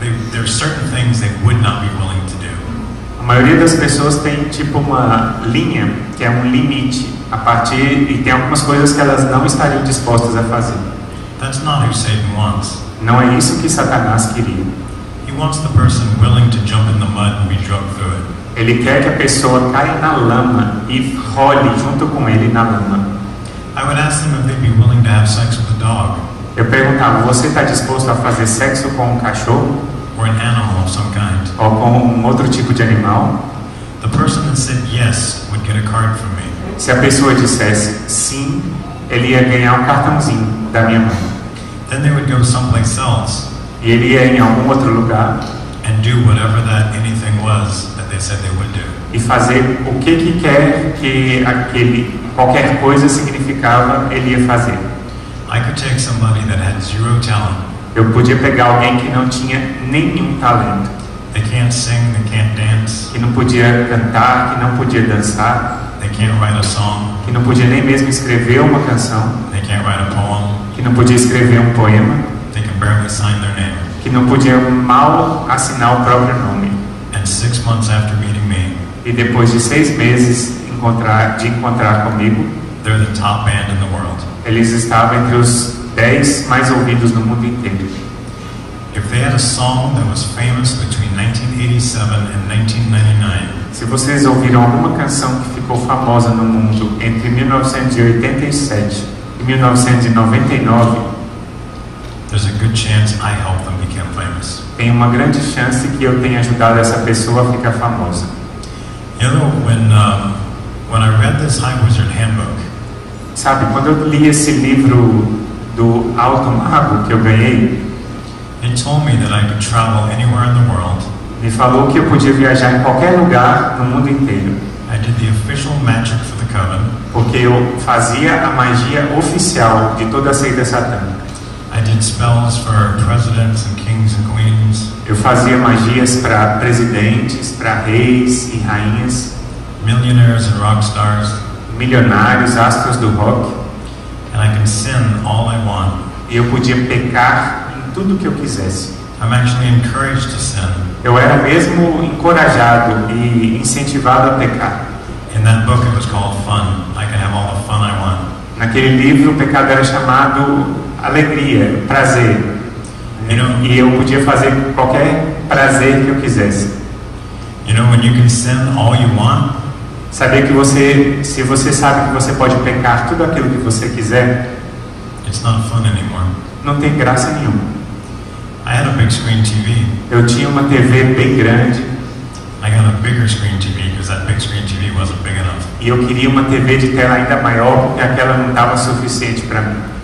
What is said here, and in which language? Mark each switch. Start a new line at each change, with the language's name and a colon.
English: There are certain things they would not be willing to do.
Portuguese: A maioria das pessoas tem tipo uma linha que é um limite a partir e tem algumas coisas que elas não estariam dispostas a fazer.
English: That's not who Satan wants.
Portuguese: Não é isso que Satanás queria.
English: He wants the person willing to jump in the mud and be dragged through it.
Portuguese: Ele quer que a pessoa caia na lama e role junto com ele na lama.
English: I would ask them if they'd be willing to have sex with a dog.
Portuguese: Eu perguntava, você está disposto a fazer sexo com um cachorro?
English: Or an animal of some kind.
Portuguese: Ou com um outro tipo de animal?
English: The person that said yes would get a card from me.
Portuguese: Se a pessoa dissesse sim, ele ia ganhar um cartãozinho da minha mãe.
English: Then they would go someplace else.
Portuguese: E ele ia em algum outro lugar.
English: And do whatever that anything was that they said they would do.
Portuguese: E fazer o que quer que aquele qualquer coisa significava ele ia fazer.
English: I could take somebody that had zero talent.
Portuguese: Eu podia pegar alguém que não tinha nenhum talento.
English: They can't sing, they can't dance.
Portuguese: Que não podia cantar, que não podia dançar.
English: They can't write a song.
Portuguese: Que não podia nem mesmo escrever uma canção.
English: They can't write a poem.
Portuguese: Que não podia escrever um poema.
English: They can barely sign their name.
Portuguese: Que não podia mal assinar o próprio nome.
English: And 6 months after meeting me.
Portuguese: E depois de 6 meses de encontrar comigo.
English: They're the top band in the world.
Portuguese: Eles estavam entre os 10 mais ouvidos no mundo inteiro.
English: If they had a song that was famous between 1987 and 1999.
Portuguese: Se vocês ouviram alguma canção que ficou famosa no mundo entre 1987 e 1999.
English: There's a good chance I helped them become famous.
Portuguese: Tem uma grande chance que eu tenha ajudado essa pessoa a ficar famosa.
English: You know, when I read this High Wizard Handbook.
Portuguese: Sabe, quando eu li esse livro do Alto Mago que eu ganhei,
English: it told me that I could travel anywhere in the world.
Portuguese: Me falou que eu podia viajar em qualquer lugar no mundo inteiro.
English: I did the official magic for the coven.
Portuguese: Porque eu fazia a magia oficial de toda a seita satânica.
English: I did spells for presidents and kings and queens.
Portuguese: Eu fazia magias para presidentes, para reis e rainhas.
English: Millionaires and rock stars.
Portuguese: Milionários, astros do rock.
English: And I can sin all I want.
Portuguese: E eu podia pecar em tudo que eu quisesse.
English: I'm actually encouraged to sin.
Portuguese: Eu era mesmo encorajado e incentivado a pecar.
English: In that book it was called fun. I can have all the fun I want.
Portuguese: Naquele livro o pecado era chamado alegria, prazer.
English: You know,
Portuguese: e eu podia fazer qualquer prazer que eu quisesse.
English: You know, when you can sin all you want.
Portuguese: Saber que você, se você sabe que você pode pecar tudo aquilo que você quiser,
English: it's not fun anymore.
Portuguese: Não tem graça nenhuma.
English: I had a big screen TV.
Portuguese: Eu tinha uma TV bem grande.
English: I got a bigger screen TV because that big screen TV wasn't big enough.
Portuguese: E eu queria uma TV de tela ainda maior porque aquela não estava suficiente para mim.